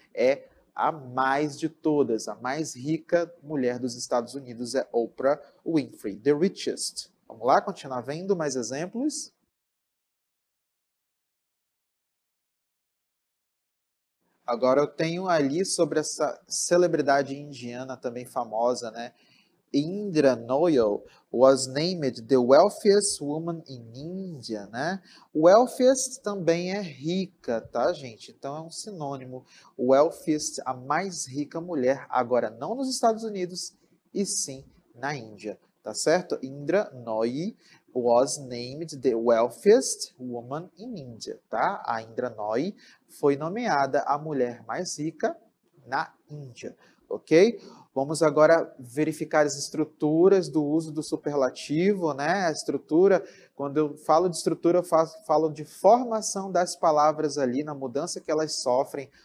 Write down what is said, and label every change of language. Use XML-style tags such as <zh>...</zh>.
<pt>É a mais de todas, a mais rica mulher dos Estados Unidos é Oprah Winfrey,</pt> <en>the richest.</en> <pt>Vamos lá, continuar vendo mais exemplos? Agora eu tenho ali sobre essa celebridade indiana também famosa, né?</pt> <en>Indra Noel was named the wealthiest woman in India, né?</en> <pt>Wealthiest também é rica, tá, gente? Então é um sinônimo. Wealthiest, a mais rica mulher, agora não nos Estados Unidos, e sim na Índia, tá certo?</pt> <en>Indra Noel was named the wealthiest woman in India, tá?</en> <pt>A Indra Noel foi nomeada a mulher mais rica na Índia, ok? Vamos agora verificar as estruturas do uso do superlativo, né? A estrutura, quando eu falo de estrutura, eu falo de formação das palavras ali, na mudança que elas sofrem.</pt>